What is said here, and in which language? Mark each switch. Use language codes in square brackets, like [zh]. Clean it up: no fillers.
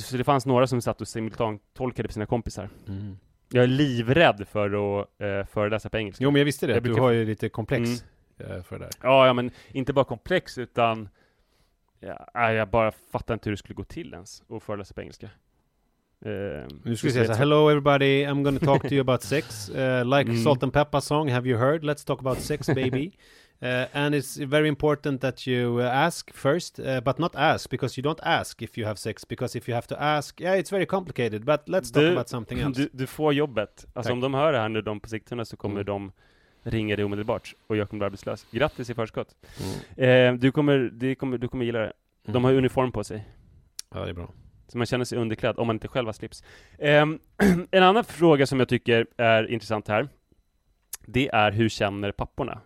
[sv] Så det fanns några som satt och simultantolkade på sina kompisar. Mm. Jag är livrädd för att föreläsa på engelska. Jo, men jag visste det. Jag brukar... Du har ju lite komplex för det där. Ja, men inte bara komplex, utan jag bara fattar inte hur det skulle gå till ens att föreläsa på engelska. Nu ska vi säga så. [en] Hello everybody, I'm going to talk to you about sex. Like Salt and Pepper song, have you heard? Let's talk about sex, baby. And it's very important that you ask first, but not ask, because you don't ask if you have sex, because if you have to ask, yeah, it's very complicated, but let's talk about something else. [sv] Du får jobbet. Alltså, om de hör det här nu, de på Sigtuna, så kommer de ringa dig omedelbart och jag kommer bli arbetslös. Grattis i förskott. Du kommer gilla det. Mm. De har uniform på sig. Ja, det är bra. Så man känner sig underklädd om man inte själv har slips. En annan fråga som jag tycker är intressant här, det är hur känner papporna?